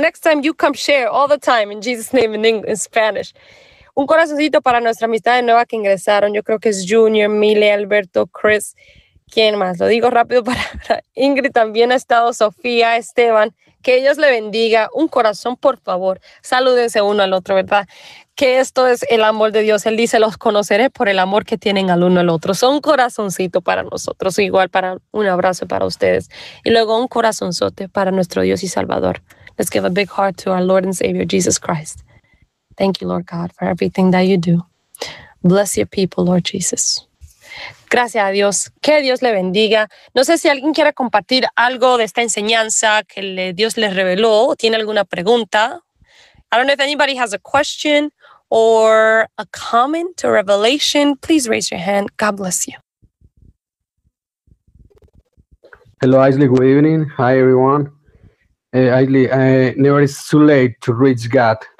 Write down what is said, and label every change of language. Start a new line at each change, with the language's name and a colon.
English: Next time you come share all the time in Jesus' name in English, in Spanish.
Spanish: Un corazoncito para nuestra amistad de nueva que ingresaron. Yo creo que es Junior, Mile, Alberto, Chris. ¿Quién más? Lo digo rápido para Ingrid. También ha estado Sofía, Esteban. Que Dios le bendiga. Un corazón, por favor. Salúdense uno al otro, ¿verdad? Que esto es el amor de Dios. Él dice, los conoceré por el amor que tienen al uno al otro. Son un corazoncito para nosotros. Igual para un abrazo para ustedes. Y luego un corazonzote para nuestro Dios y Salvador.
English: Let's give a big heart to our Lord and Savior, Jesus Christ. Thank you, Lord God, for everything that you do. Bless your people, Lord Jesus.
Spanish: Gracias a Dios. Que Dios le bendiga. No sé si alguien quiere compartir algo de esta enseñanza que Dios les reveló. ¿Tiene alguna pregunta?
English: I don't know if anybody has a question or a comment or revelation. Please raise your hand. God bless you. Hello, Aisley. Good evening. Hi, everyone. Aisley, never is too late to reach God.